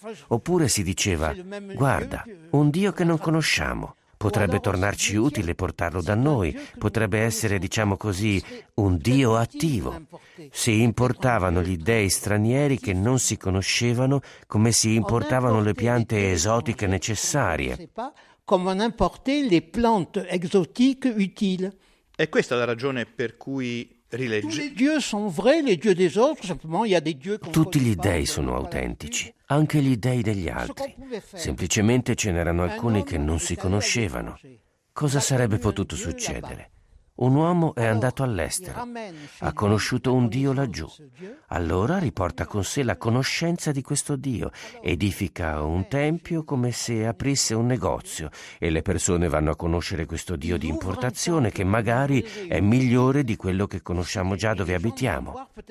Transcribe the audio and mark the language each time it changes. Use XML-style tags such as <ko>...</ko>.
<it>Oppure si diceva, guarda, un dio che non conosciamo. Potrebbe tornarci utile portarlo da noi, potrebbe essere, diciamo così, un dio attivo. Si importavano gli dèi stranieri che non si conoscevano come si importavano le piante esotiche necessarie.</it> <fr>Come on importait les plantes exotiques utiles.</fr> <it>È questa la ragione per cui rileggi.</it> <fr>Tous les dieux sont vrais, les dieux des autres, simplement il y a des dieux.</fr> <it>Tutti gli dèi sono autentici. Anche gli dèi degli altri. Semplicemente ce n'erano alcuni che non si conoscevano. Cosa sarebbe potuto succedere? Un uomo è andato all'estero, ha conosciuto un dio laggiù. Allora riporta con sé la conoscenza di questo dio, edifica un tempio come se aprisse un negozio e le persone vanno a conoscere questo dio di importazione che magari è migliore di quello che conosciamo già dove abitiamo.</it>